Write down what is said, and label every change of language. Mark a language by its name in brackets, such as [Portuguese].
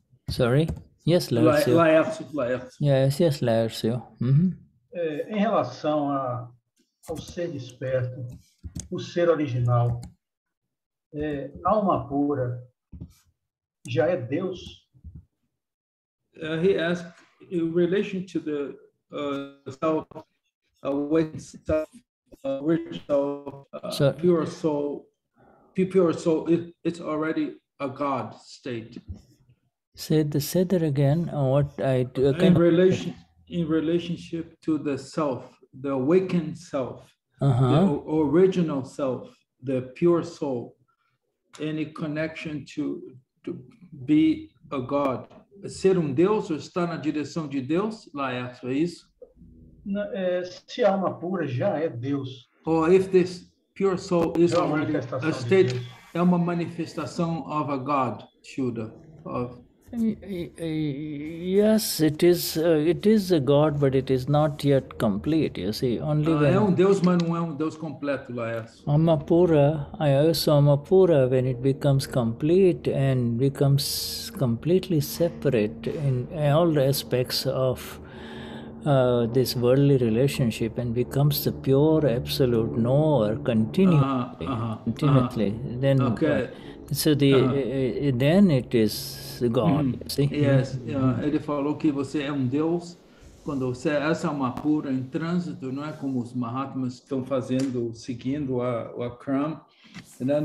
[English] Sorry? Yes, Laércio. Laércio. Yes, Laércio. [Portuguese] É, em relação ao ser desperto, o ser original, alma pura já é Deus? [English] He asked, in relation to the pure soul, it's already a God state. Say that again. What I do, in relationship to the self, the awakened self, the original self, the pure soul, any connection to be a God. [Portuguese] Ser Deus ou estar na direção de Deus? Laércio, é isso? Se a alma pura já é Deus. [English] Or if this pure soul is already a state, [Portuguese] é uma manifestação [English] of a God, Shuddha. Yes, it is a God, but it is not yet complete, you see. Only when... [Portuguese] É Deus, mas não é Deus completo, Laércio. [English] Alma pura, I also alma pura, when it becomes complete and becomes completely separate in all the aspects of this worldly relationship and becomes the pure, absolute knower continuously. Then, okay. Then it is God, see? [Portuguese] Yes, ele falou que você é Deus, quando você é essa alma pura em trânsito, não é como os Mahatmas estão fazendo, seguindo o Akram, né?